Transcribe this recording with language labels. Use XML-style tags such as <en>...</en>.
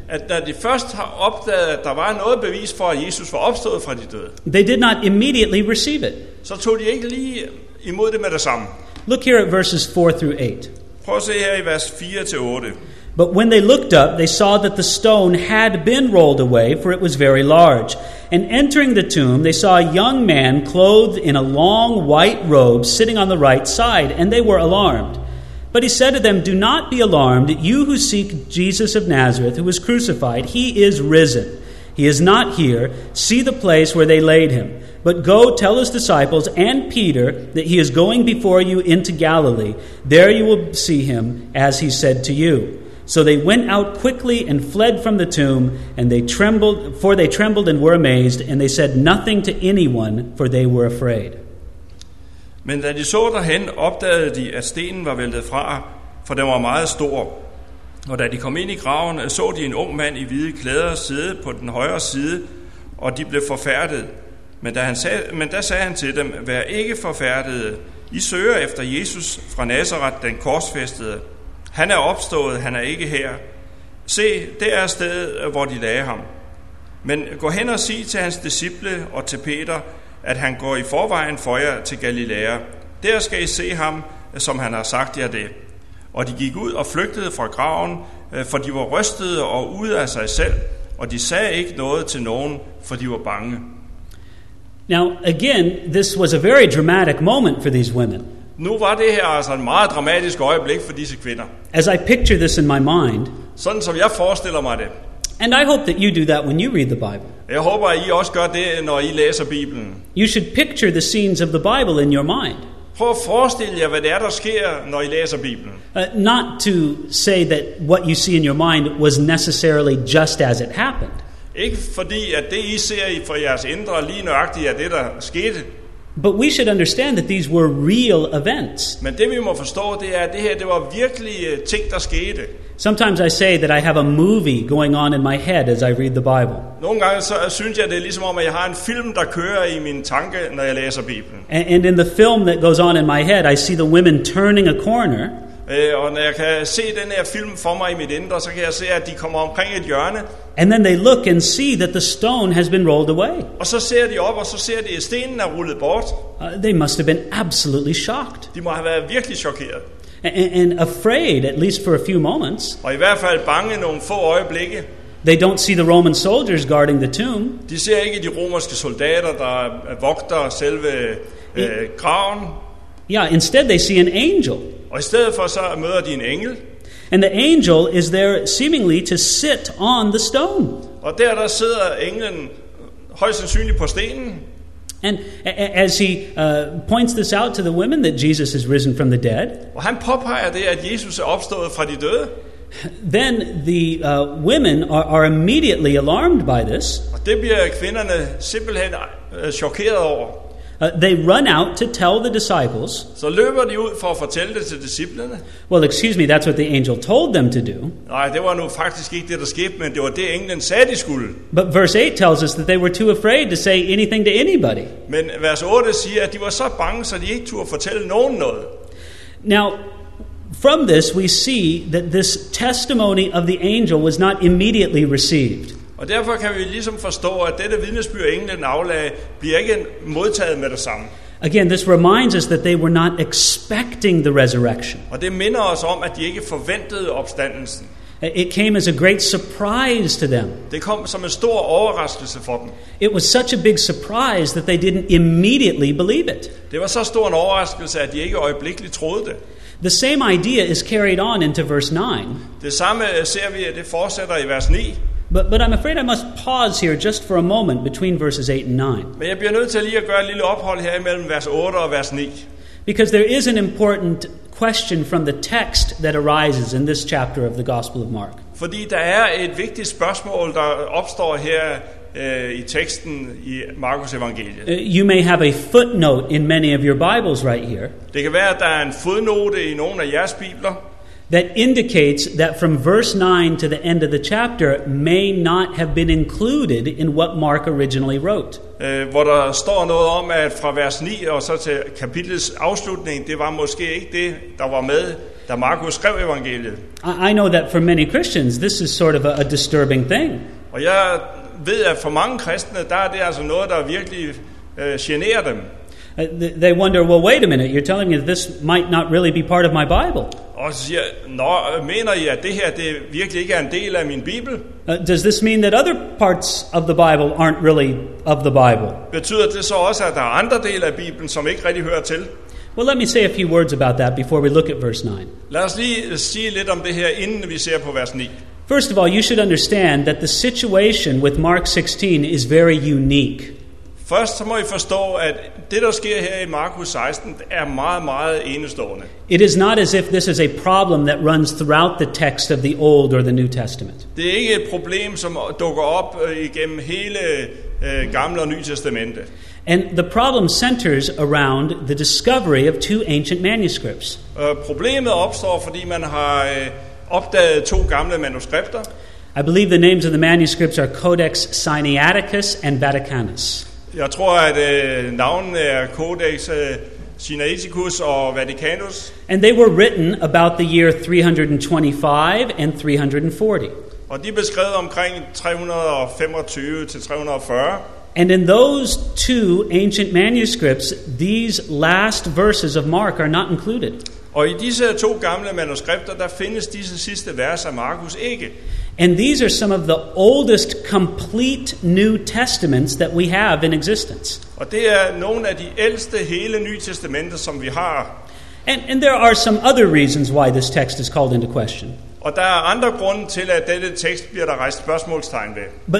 <da>at da de først har opdaget, at der var noget bevis for, at Jesus var opstået fra de døde,</da> <en>they did not immediately receive it.</en> <da>Så tog de ikke lige imod det med det samme.</da> <en>Look here at verses 4 through 8.</en> <da>Prøv at se her i vers 4 til 8.</da> <en>But when they looked up, they saw that the stone had been rolled away, for it was very large. And entering the tomb, they saw a young man clothed in a long white robe sitting on the right side, and they were alarmed. But he said to them, "Do not be alarmed, you who seek Jesus of Nazareth, who was crucified. He is risen. He is not here. See the place where they laid him. But go tell his disciples and Peter that he is going before you into Galilee. There you will see him, as he said to you." So they went out quickly and fled from the tomb, and they trembled, for they trembled and were amazed, and they said nothing to anyone, for they were afraid.</en> <da>Men da de så derhen, opdagede de, at stenen var væltet fra, for den var meget stor. Og da de kom ind i graven, så de en ung mand i hvide klæder sidde på den højre side, og de blev forfærdede. Men da sagde han til dem, vær ikke forfærdede, I søger efter Jesus fra Nazaret, den korsfæstede. Han er opstået, han er ikke her. Se, det er stedet, hvor de lagde ham. Men gå hen og sig til hans disciple og til Peter, at han går i forvejen for jer til Galilea. Der skal I se ham, som han har sagt jer det. Og de gik ud og flygtede fra graven, for de var rystede og ude af sig selv, og de sagde ikke noget til nogen, for de var bange.</da> <en>Now again, this was a very dramatic moment for these women.</en> <da>Nu var det her altså en meget dramatisk øjeblik for disse kvinder.</da> <en>As I picture this in my mind,</en> <da>sådan som jeg forestiller mig det.</da> <en>And I hope that you do that when you read the Bible.</en> <da>Jeg håber, at I også gør det, når I læser Bibelen.</da> <en>You should picture the scenes of the Bible in your mind.</en> <da>Prøv at forestille jer, hvad det er, der sker, når I læser Bibelen.</da> <en>Not to say that what you see in your mind was necessarily just as it happened.</en> <da>Ikke fordi, at det, I ser i for jeres indre, lige nøjagtigt er det, der skete.</da> <en>But we should understand that these were real events.</en> <da>Men det vi må forstå, det er, at det her, det var virkelige ting, der skete.</da> <en>Sometimes I say that I have a movie going on in my head as I read the Bible.</en> <da>Nogle gange så synes jeg, det er ligesom om, at jeg har en film, der kører i min tanke, når jeg læser Bibelen.</da> <en>And in the film that goes on in my head, I see the women turning a corner.</en> <da>Og når jeg kan se den her film for mig i mit indre, så kan jeg se, at de kommer omkring et hjørne.</da> <en>And then they look and see that the stone has been rolled away.</en> <da>Og så ser de op, og så ser de, at stenen er rullet bort.</da> <en>They must have been absolutely shocked.</en> <da>De må have været virkelig chokeret.</da> <en>And afraid, at least for a few moments.</en> <da>Og i hvert fald bange nogle få øjeblikke.</da> <en>They don't see the Roman soldiers guarding the tomb.</en> <da>De ser ikke de romerske soldater, der vogter selve graven.</da> <en>Yeah, instead they see an angel.</en> <da>Og i stedet for så møder de en engel.</da> <en>And the angel is there seemingly to sit on the stone.</en> <da>Og der sidder englen højst sandsynligt på stenen.</da> <en>And as he points this out to the women that Jesus is risen from the dead.</en> <da>Og han påpeger det, at Jesus er opstået fra de døde.</da> <en>Then the women are immediately alarmed by this.</en> <da>Og det bliver kvinderne simpelthen chokeret over.</da> <en>They run out to tell the disciples.</en> <da>Så løber de ud for at fortælle det til disciplene.</da> <en>Well, excuse me, that's what the angel told them to do.</en> <da>Nej, det var nu faktisk ikke det, der skete, men det var det, englen sagde, de skulle.</da> <en>But verse 8 tells us that they were too afraid to say anything to anybody.</en> <da>Men vers 8 siger, at de var så bange, så de ikke turde fortælle nogen noget.</da> <en>Now, from this we see that this testimony of the angel was not immediately received.</en> <da>Og derfor kan vi ligesom forstå, at dette vidnesbyrd englen aflagde bliver ikke modtaget med det samme.</da> <en>Again, this reminds us that they were not expecting the resurrection.</en> <da>Og det minder os om, at de ikke forventede opstandelsen.</da> <en>It came as a great surprise to them.</en> <da>Det kom som en stor overraskelse for dem.</da> <en>It was such a big surprise that they didn't immediately believe it.</en> <da>Det var så stor en overraskelse, at de ikke øjeblikkeligt troede det.</da> <en>The same idea is carried on into verse 9.</en> <da>Det samme ser vi, at det fortsætter i vers 9.</da> <en>But I'm afraid I must pause here just for a moment between verses 8 and 9.</en> <da>Men jeg bliver nødt til lige at gøre et lille ophold her imellem vers 8 og vers 9.</da> <en>Because there is an important question from the text that arises in this chapter of the Gospel of Mark.</en> <da>Fordi der er et vigtigt spørgsmål, der opstår her i teksten i Markus evangeliet.</da> <en>You may have a footnote in many of your Bibles right here.</en> <da>Det kan være, at der er en fodnote i nogle af jeres bibler.</da> <en>That indicates that from verse 9 to the end of the chapter may not have been included in what Mark originally wrote.</en> <da>Hvor der står noget om, at fra vers 9 og så til kapitlets afslutning, det var måske ikke det, der var med, da Markus skrev evangeliet.</da> <en>I know that for many Christians, this is sort of a disturbing thing.</en> <da>Og jeg ved, at for mange kristne, der er det altså noget, der virkelig generer dem.</da> <en>They wonder, well, wait a minute, you're telling me that this might not really be part of my Bible.</en> <da>Og så siger, nå, mener I, at det her det virkelig ikke er en del af min Bibel?</da> <en>Does this mean that other parts of the Bible aren't really of the Bible?</en> <da>Betyder det så også, at der er andre dele af Bibelen, som ikke rigtig hører til?</da> <en>Well, let me say a few words about that before we look at verse 9.</en> <da>Lad os lige sige lidt om det her, inden vi ser på vers 9.</da> <en>First of all, you should understand that the situation with Mark 16 is very unique.</en> <da>Først så må I forstå, at det, der sker her i Markus 16, er meget, meget enestående.</da> <en>It is not as if this is a problem that runs throughout the text of the Old or the New Testament.</en> <da>Det er ikke et problem, som dukker op igennem hele Gamle og Nye Testamente.</da> <en>And the problem centers around the discovery of two ancient manuscripts.</en> <da>Problemet opstår, fordi man har opdaget to gamle manuskripter.</da> <en>I believe the names of the manuscripts are Codex Sinaiticus and Vaticanus.</en> <da>Jeg tror, at navnene er Codex Sinaiticus og Vaticanus.</da> <en>And they were written about the year 325 and 340.</en> <da>Og de beskrev omkring 325-340.</da> <en>And in those two ancient manuscripts, these last verses of Mark are not included.</en> <da>Og i disse to gamle manuskripter, der findes disse sidste vers af Markus ikke.</da> <en>And these are some of the oldest complete New Testaments that we have in existence.</en> <da>Og det er nogle af de ældste hele Nye Testamenter, som vi har.</da> <en>And there are some other reasons why this text is called into question.</en> <da>Og der er andre grunde til, at denne tekst bliver der rejst spørgsmålstegn ved.</da>